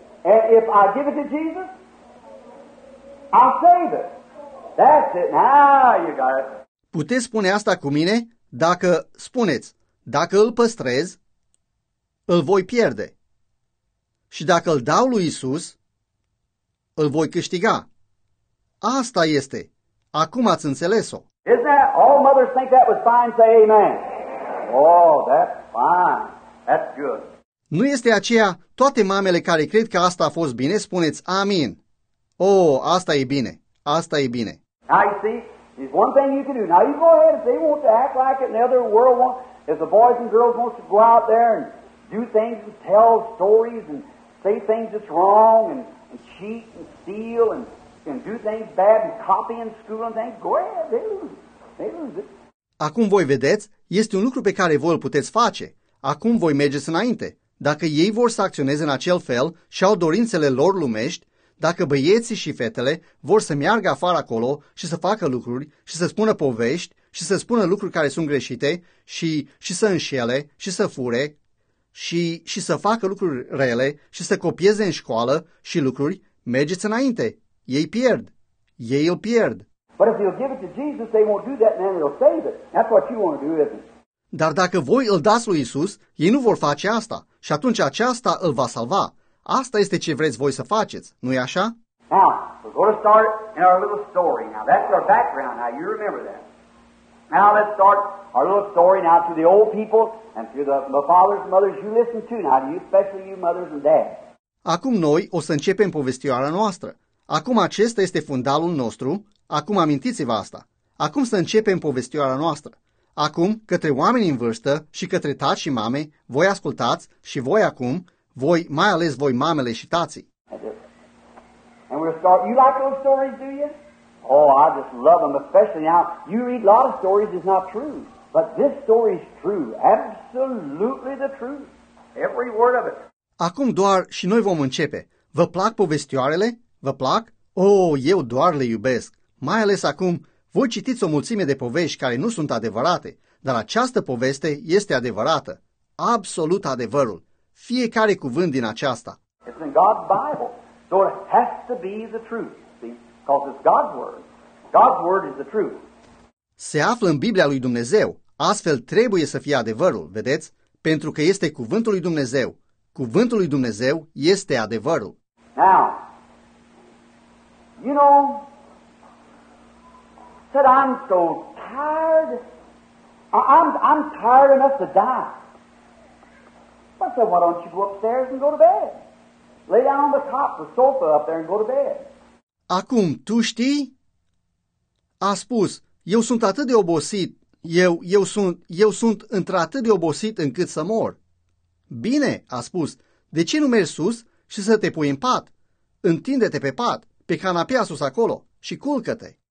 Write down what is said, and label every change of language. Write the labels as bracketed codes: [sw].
[en] And if I give it to Jesus, I'll save it. That's it. Now you got it. [ro] Puteți spune asta cu mine? Dacă, spuneți, dacă îl păstrez, îl voi pierde. Și dacă îl dau lui Isus, îl voi câștiga. Asta este. Acum ați înțeles-o. [en] Isn't that all mothers think that was fine? Say amen. Oh, that's fine. That's good. [ro] Nu este aceea toate mamele care cred că asta a fost bine? Spuneți amin. Oh, asta e bine. Asta e bine. [en] Now you see, there's one thing you can do. Now you go ahead. If they want to act like it in the other world, if the boys and girls want to go out there and do things and tell stories and say things that's wrong and cheat and steal and do things bad and copy in school and things, go ahead, they lose it. [ro] Acum voi vedeți, este un lucru pe care voi îl puteți face. Acum voi mergeți înainte. Dacă ei vor să acționeze în acel fel și au dorințele lor lumești, dacă băieții și fetele vor să meargă afară acolo și să facă lucruri și să spună povești și să spună lucruri care sunt greșite și să înșele și să fure și să facă lucruri rele și să copieze în școală și lucruri, mergeți înainte. Ei pierd. Ei îl pierd. [en] But if they'll give it to Jesus, they won't do that, man, they'll save it. That's what you want to do, isn't it? [ro] Dar dacă voi îl dați lui Isus, ei nu vor face asta și atunci aceasta îl va salva. Asta este ce vreți voi să faceți, nu-i așa? [en] Now, we're going to start in our little story. Now, that's our background. Now, you remember that. Now, let's start our little story now to the old people and to the fathers and mothers you listen to. Now, to you, especially you mothers and dads. [ro] Acum noi o să începem povestioara noastră. Acum acesta este fundalul nostru. Acum amintiți-vă asta. Acum să începem povestioara noastră. Acum, către oameni în vârstă și către tați și mame, voi ascultați și voi acum... Voi, mai ales voi, mamele și tații. [en] And we'll start. You like those stories, do you? Oh, I just love them, especially now. You read a lot of stories, it's not true. But this story is true. Absolutely the truth. Every word of it. [ro] Acum doar și noi vom începe. Vă plac povestioarele? Vă plac? Oh, eu doar le iubesc. Mai ales acum, voi citiți o mulțime de povești care nu sunt adevărate, dar această poveste este adevărată. Absolut adevărul. Fiecare cuvânt din aceasta. [en] It's in God's Bible. So it has to be the truth. See? Because it's God's word. God's word is the truth. [ro] Se află în Biblia lui Dumnezeu, astfel trebuie să fie adevărul, vedeți? Pentru că este cuvântul lui Dumnezeu. Cuvântul lui Dumnezeu este adevărul. [en] Now, you know, said I'm so tired. I'm tired enough to die. I said, why don't you go upstairs and go to bed? Lay down on the top of the sofa up there and go to bed. [ro] Acum, tu știi? A spus, eu sunt atât de obosit, eu sunt într-atât de obosit încât să mor. Bine, a spus, de ce nu mergi sus și să te pui în pat? Întinde-te pe pat, pe canapea sus acolo și culcă-te.